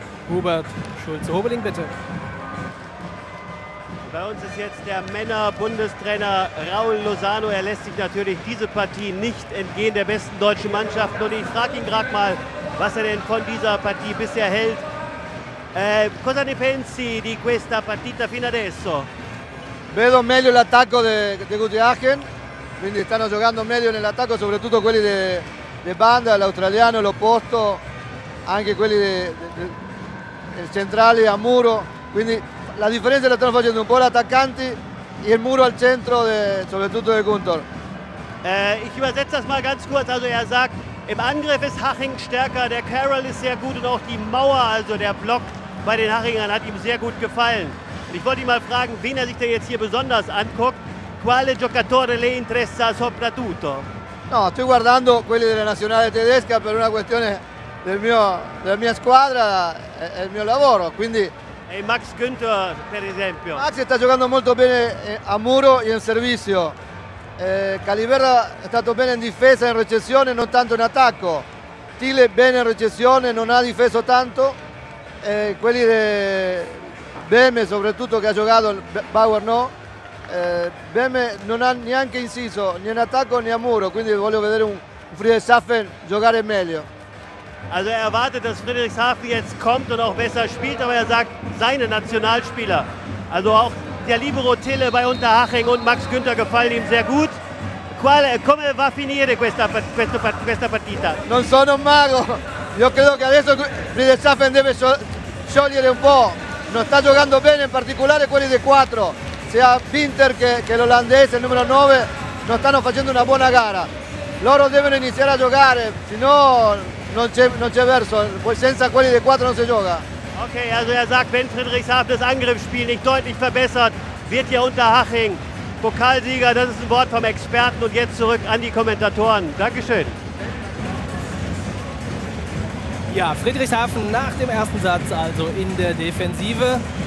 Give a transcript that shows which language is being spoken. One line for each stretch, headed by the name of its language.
German: Hubert Schulze-Hobeling, bitte. Bei uns ist jetzt der Männer-Bundestrainer Raul Lozano. Er lässt sich natürlich diese Partie nicht entgehen, der besten deutschen Mannschaft. Und ich frage ihn gerade mal, was er denn von dieser Partie bisher hält.
Italian: Cosa ne pensi di questa partita fino adesso? Vedo meglio l'attacco di Guti Haching. Quindi stanno giocando meglio nell'attacco, soprattutto quelli di banda, l'australiano, l'opposto. Anche quelli del centrale a muro. Quindi la differenza la stanno facendo un po' gli attaccanti e il muro al centro, soprattutto di Guntor.
German: Ich übersetze das mal ganz kurz. Also, er sagt, im Angriff ist Haching stärker, der Carroll ist sehr gut und auch die Mauer, also der Block bei den Hachingern, hat ihm sehr gut gefallen. Und ich wollte ihn mal fragen, wen er sich denn jetzt hier besonders anguckt.
Italian: Quale giocatore le interessa soprattutto? No, sto guardando quelli della nazionale tedesca per una questione della mia squadra e il mio lavoro. Quindi. E Max Günther, per esempio. Max sta giocando molto bene a muro e in servizio. Calibera è stato bene in difesa, in recessione, non tanto in attacco. Tile bene in recessione, non ha difeso tanto. Quelli di Beme, soprattutto, che ha giocato, Bauer no. Beme non ha neanche inciso, né in attacco né a muro. Quindi voglio vedere un Friedrichshafen giocare meglio.
German: Also er erwartet, dass Friedrichshafen jetzt kommt und auch besser spielt, aber er sagt, seine Nationalspieler, also auch der Libero Tille bei Unterhaching und Max Günther gefallen ihm sehr gut.
Italian: Come va a finire questa partita? Non sono un mago. Io credo che adesso Friedrichshafen deve sciogliere un po'. Non sta giocando bene, in particolare quelli dei quattro, sia Winter che l'olandese, il numero 9, non stanno facendo una buona gara. Loro devono iniziare a giocare, sennò Non c'è verso, senza quelli dei quattro non si gioca.
German: Okay, also er sagt, wenn Friedrichshafen das Angriffsspiel nicht deutlich verbessert, wird hier Unterhaching Pokalsieger. Das ist ein Wort vom Experten und jetzt zurück an die Kommentatoren. Dankeschön. Ja, Friedrichshafen nach dem ersten Satz also in der Defensive.